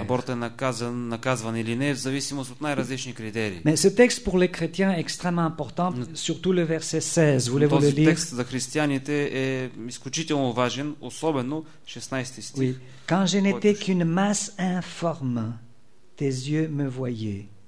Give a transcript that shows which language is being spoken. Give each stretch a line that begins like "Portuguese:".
Bulgarian: Аборт е наказван или не, в зависимост от най-различни критерии.
French: Mais ce texte pour les chrétiens est extrêmement important, surtout le verset 16. Voulez-vous le lire?
Bulgarian: Този текст за християните е изключително важен, особено 16 стих.
French: Oui. Quand je n'étais qu'une masse informe, tes yeux me voyaient.